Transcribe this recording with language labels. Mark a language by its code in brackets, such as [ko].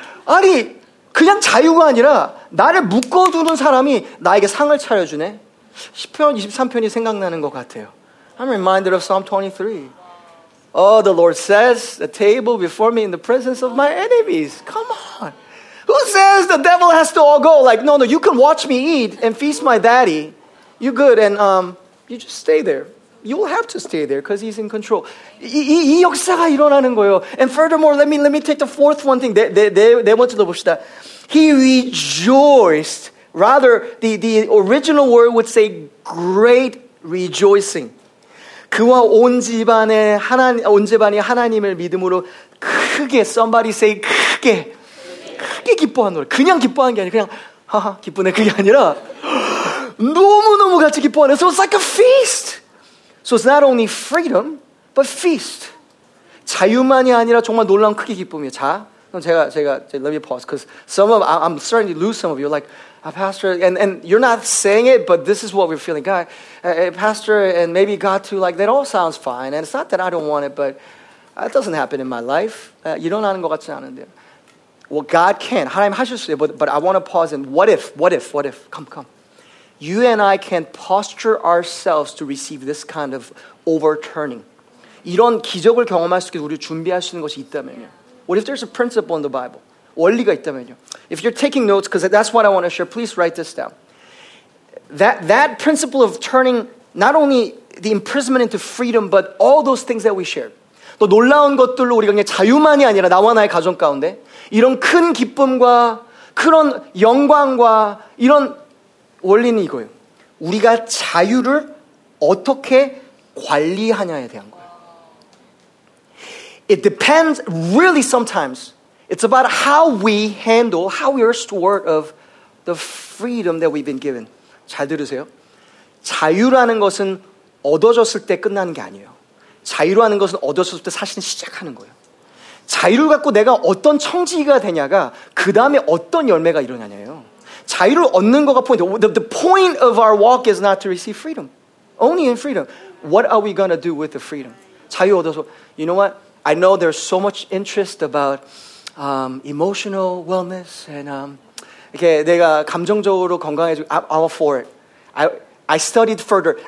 [ko] 아니, 그냥 자유가 아니라 나를 묶어두는 사람이 나에게 상을 차려주네. 10편, 23편이 생각나는 것 같아요. [en] I'm reminded of Psalm 23. Oh, the Lord sets a table before me in the presence of my enemies. Come on. Who says the devil has to all go? Like, no, you can watch me eat and feast my daddy. You good, and you just stay there. you'll have to stay there because he's in control. [ko] 이 역사가 일어나는 거예요. [en] And furthermore, let me take the fourth one thing. [ko] 네 번째로 봅시다. [en] He rejoiced. Rather, the original word would say great rejoicing. [ko] 그와 온 집안의 하나님 온 집안이 하나님을 믿음으로 크게 [en] somebody say [ko] 크게 크게 기뻐한 노래. 그냥 기뻐한 게 아니라 그냥 하하 기쁘네 그게 아니라 너무너무 같이 기뻐하네. [en] So it's like a feast. So it's not only freedom, but feast. [ko] 자유만이 아니라 정말 놀라운 크게 기쁨이에요. 자, 그럼 제가 [en] let me pause because some of I'm starting to lose some of you like Pastor, and you're not saying it, but this is what we're feeling. God, Pastor, and maybe God too, like, that all sounds fine. And it's not that I don't want it, but that doesn't happen in my life. [ko] 일어나는 것 같지 않은데. [en] Well, God can. [ko] 하나님 하실 수 있어요. [en] But I want to pause and what if? Come. You and I can posture ourselves to receive this kind of overturning. [ko] 이런 기적을 경험할 수 있게 우리 준비할 수 있는 것이 있다면요. [en] What if there's a principle in the Bible? [ko] 원리가 있다면요. [en] If you're taking notes, because that's what I want to share, please write this down. That principle of turning not only the imprisonment into freedom, but all those things that we shared. [ko] 또 놀라운 것들로 우리가 그냥 자유만이 아니라 나와 나의 가정 가운데 이런 큰 기쁨과 그런 영광과 이런 원리는 이거예요. 우리가 자유를 어떻게 관리하냐에 대한 거예요. [en] It depends really sometimes. It's about how we handle, how we are steward of the freedom that we've been given. [ko] 잘 들으세요. 자유라는 것은 얻어졌을 때 끝나는 게 아니에요. 자유라는 것은 얻어졌을 때 사실은 시작하는 거예요. 자유를 갖고 내가 어떤 청지기가 되냐가 그 다음에 어떤 열매가 일어나냐예요. 자유를 얻는 거가 포인트. [en] The point of our walk is not to receive freedom. Only in freedom. What are we going to do with the freedom? [ko] 자유 얻어서, [en] you know what? I know there's so much interest about emotional wellness and [ko] 이렇게 내가 감정적으로 건강해지고 [en] I'm all for it. I studied further.